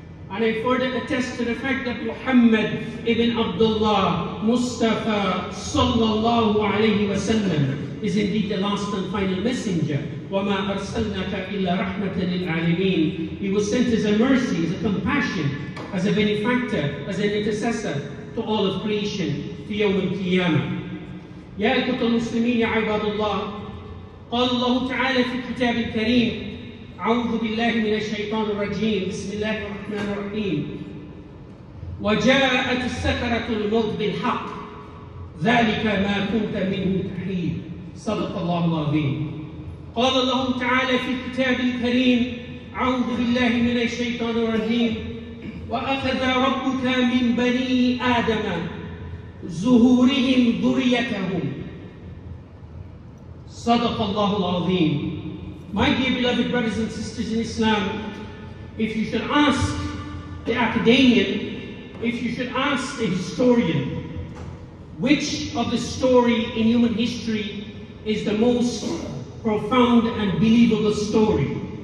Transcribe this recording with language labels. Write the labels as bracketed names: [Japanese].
[English] And I further attest to the fact that Muhammad ibn Abdullah Mustafa sallallahu alayhi wa sallam is indeed the last and final messenger. [Arabic] وَمَا أَرْسَلْنَكَ إِلَّا رَحْمَةً لِلْعَالَمِينَ. He was sent as a mercy, as a compassion, as a benefactor, as an intercessor to all of creation. في يوم القيامة. يا أيها المسلمين يا عباد الله. قال الله تعالى في الكتاب الكريم. أعوذ بالله من الشيطان الرجيم. بسم الله الرحمن الرحيم. وجاءت السكرة الموت بالحق. ذلك ما كنت منه تحيد. صدق الله العظيم. قال الله تعالى في الكتاب الكريم أعوذ بالله من الشيطان الرجيم وأخذ ربك من بني آدم زهورهم ذريتهم صدق الله العظيم. [English] My dear beloved brothers and sisters in Islam, if you should ask the academician, if you should ask the historian, which of the story in human history is the most profound and believable story?